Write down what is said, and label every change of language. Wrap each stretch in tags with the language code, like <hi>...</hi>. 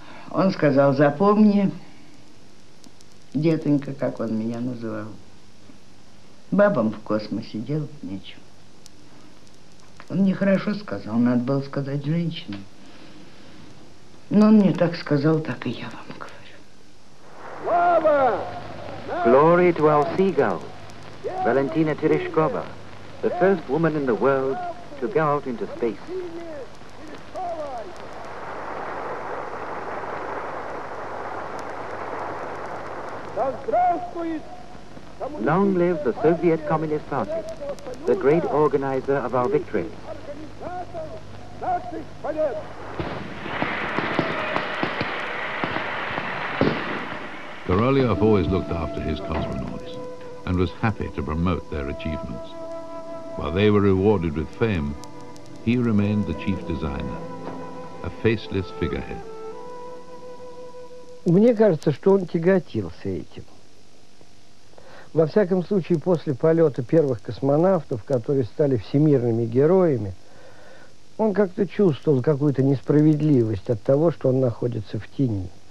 <ru>Он сказал, запомни, детонька, как он меня называл. Бабам в космосе делать нечего. Он мне хорошо сказал, надо было сказать женщинам. Но он мне так сказал, так и я вам говорю. Слава!</ru> <en>Glory to our seagull, Valentina Tereshkova, the first woman in the world to go out into space. Long live the Soviet Communist Party, the great organizer of our victory. Korolev always looked after his cosmonauts and was happy to promote their achievements. While they were rewarded with fame, he remained the chief designer, a faceless figurehead.</en> <ru>Мне кажется, что он тяготился этим. Во всяком случае, после полета первых космонавтов, которые стали всемирными героями, он как-то чувствовал какую-то несправедливость от того, что он находится в тени.</ru>